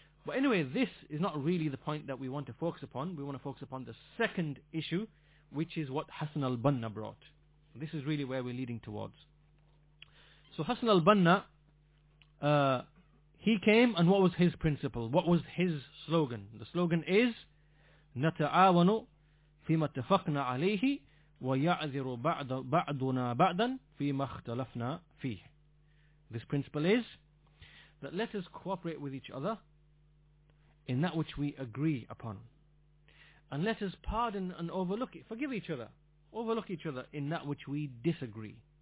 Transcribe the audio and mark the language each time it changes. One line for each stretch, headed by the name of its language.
English: But anyway, this is not really the point that we want to focus upon. We want to focus upon the second issue, which is what Hasan al-Banna brought. This is really where we're leading towards. So Hasan al-Banna, he came, and what was his principle? What was his slogan? The slogan is,
Arabic: نَتَعَاوَنُ فِيمَا اتَّفَقْنَا عَلَيْهِ وَيَعْذِرُ بَعْدُنَا بَعْدًا فِيمَا اخْتَلَفْنَا فِيهِ.
English: This principle is that let us cooperate with each other in that which we agree upon, and let us pardon and forgive each other in that which we disagree.